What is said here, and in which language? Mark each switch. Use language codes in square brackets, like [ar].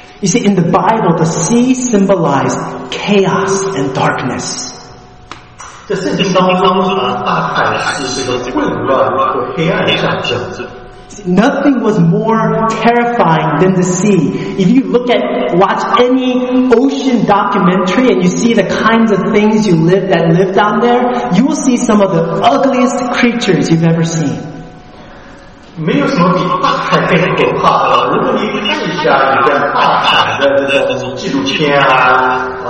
[en] You see, in the Bible, the sea symbolized chaos and darkness. [zh] 在圣经当中，大海是这个混乱和黑暗的象征。 [en] Nothing was more terrifying than the sea. If you watch any ocean documentary and you see the kinds of things that live down there, you will see some of the ugliest creatures you've ever seen. [zh] 没有什么比大海更可怕了。如果你看一下你在大海的那种纪录片啊。